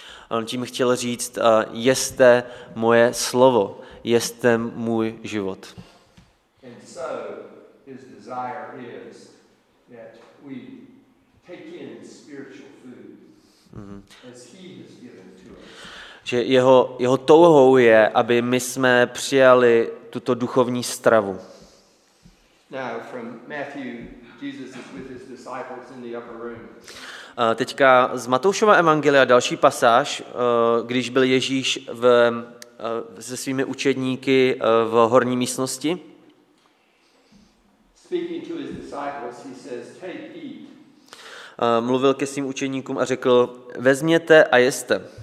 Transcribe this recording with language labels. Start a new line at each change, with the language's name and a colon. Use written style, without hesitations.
Czech: On tím chtěl říct, jeste moje slovo, jeste můj život.
English: And so his desire is that we take in spiritual food as he has given to us.
Czech: Že jeho touhou je, aby my jsme přijali tuto duchovní stravu.
English: Now from Matthew, Jesus is with his disciples in the upper room.
Czech: Teďka z Matoušova evangelia další pasáž, když byl Ježíš se svými učedníky v horní místnosti.
English: Speaking to his disciples, he says, take eat.
Czech: Mluvil ke svým učedníkům a řekl, vezměte a jeste.